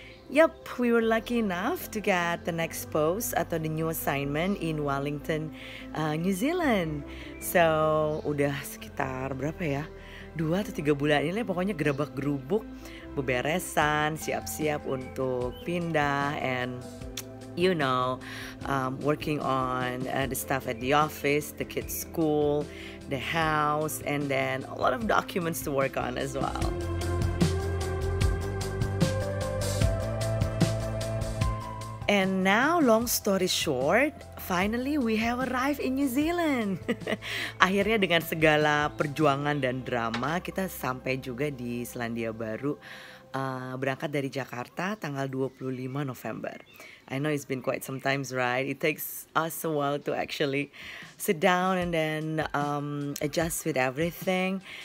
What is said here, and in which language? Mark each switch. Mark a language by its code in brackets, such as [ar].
[en] Yup, we were lucky enough to get the next post atau the new assignment in Wellington, New Zealand. [id] So, udah sekitar berapa ya? 2 atau 3 bulan ini lah, pokoknya gerabak gerubuk, beberesan, siap-siap untuk pindah, [en] and you know, working on the stuff at the office, the kids' school, the house, and then a lot of documents to work on as well. And now, long story short, finally we have arrived in New Zealand. [id] Akhirnya dengan segala perjuangan dan drama, kita sampai juga di Selandia Baru. Berangkat dari Jakarta tanggal 25 November. [en] I know it's been quite some time, right? It takes us a while to actually sit down and then adjust with everything.